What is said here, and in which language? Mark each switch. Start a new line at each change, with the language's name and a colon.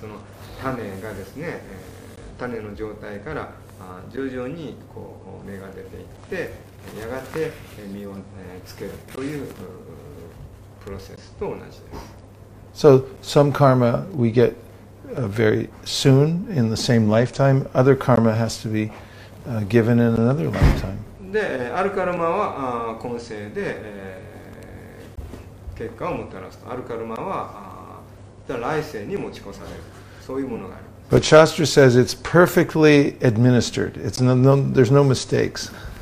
Japanese: その種がですね、種の状態から徐々にこう芽が出ていって、やがて実をつけるというプロセスと同じです。
English: So some karma we get very soon in the same lifetime. Other karma has to be given in another lifetime.
Japanese: で、あるカルマは今世で、結果をもたらすと、あるカルマは来世に持ち越される、そういうものがある。
English: But Shastra says it's perfectly administered. It's no, there's no mistakes.